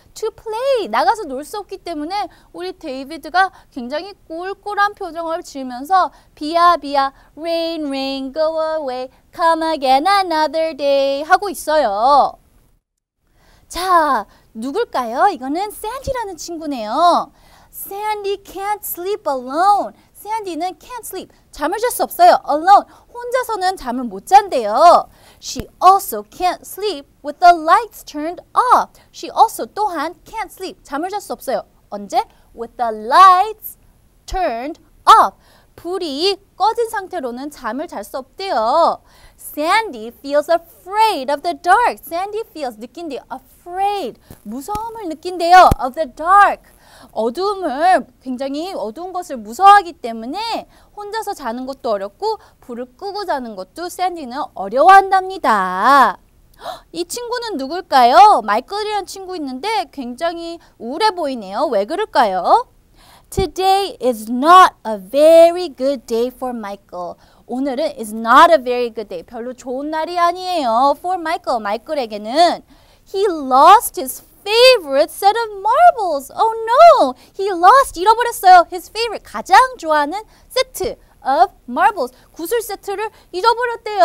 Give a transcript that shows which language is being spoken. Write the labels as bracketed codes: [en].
[en] To play. [ko] 나가서 놀 수 없기 때문에 우리 데이비드가 굉장히 꿀꿀한 표정을 지으면서 비야 비야 [en] rain rain go away come again another day [ko] 하고 있어요. 자, 누굴까요? 이거는 샌디라는 친구네요. [en] Sandy can't sleep alone. Sandy는 can't sleep. [ko] 잠을 잘 수 없어요. [en] Alone. [ko] 혼자서는 잠을 못 잔대요. [en] She also can't sleep with the lights turned off. She also [ko] 또한 [en] can't sleep. [ko] 잠을 잘 수 없어요. 언제? [en] With the lights turned off. [ko] 불이 꺼진 상태로는 잠을 잘 수 없대요. [en] Sandy feels afraid of the dark. Sandy feels [ko] 느낀대요. [en] Afraid. [ko] 무서움을 느낀대요. [en] Of the dark. [ko] 어둠을 굉장히 어두운 것을 무서워하기 때문에 혼자서 자는 것도 어렵고 불을 끄고 자는 것도 샌디는 어려워한답니다. 이 친구는 누굴까요? 마이클이라는 친구 있는데 굉장히 우울해 보이네요. 왜 그럴까요? [en] Today is not a very good day for Michael. [ko] 오늘은 [en] is not a very good day. [ko] 별로 좋은 날이 아니에요. [en] For Michael. [ko] 마이클에게는 [en] He lost his favorite set of marbles. Oh no! He lost. [ko] 잃어버렸어요. [en] His favorite. [ko] 가장 좋아하는 세트 [en] of marbles. [ko] 구슬 세트를 잃어버렸대요.